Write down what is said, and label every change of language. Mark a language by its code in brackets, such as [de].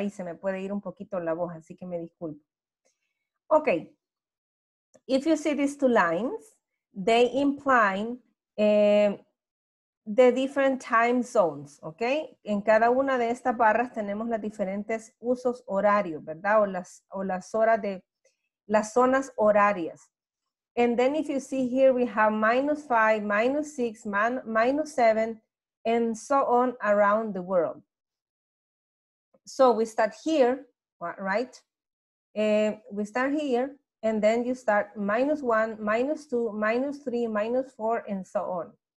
[es] Y se me puede ir un poquito la voz, así que me disculpo. [en] Okay, if you see these two lines, they imply the different time zones, okay? [es] En cada una de estas barras tenemos las diferentes usos horarios, ¿verdad? Las zonas horarias. [en] And then if you see here, we have -5, -6, -7, and so on around the world. So we start here, right? We start here, and then you start -1, -2, -3, -4, and so on.